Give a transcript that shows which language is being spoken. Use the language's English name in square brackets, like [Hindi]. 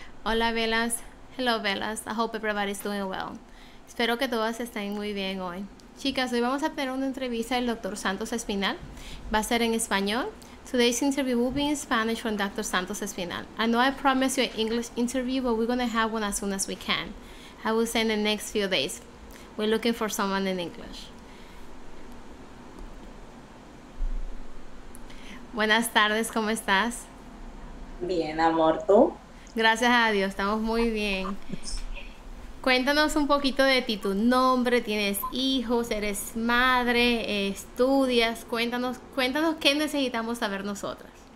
[English] Hola Velas, hello Velas, I hope everybody's doing well. [Spanish] Espero que todas estén muy bien hoy. Chicas, hoy vamos a tener una entrevista del Dr. Santos Espinal. Va a ser en español. [English] Today's interview will be in Spanish from Dr. Santos Espinal. I know I promised you an English interview, but we're going to have one as soon as we can. I will say in the next few days. We're looking for someone in English. [Spanish] Buenas tardes, ¿cómo estás? Bien, amor, ¿tú? Gracias a Dios, estamos muy bien. Cuéntanos un poquito de ti, tu nombre, tienes hijos, eres madre, estudias, cuéntanos qué necesitamos saber nosotras.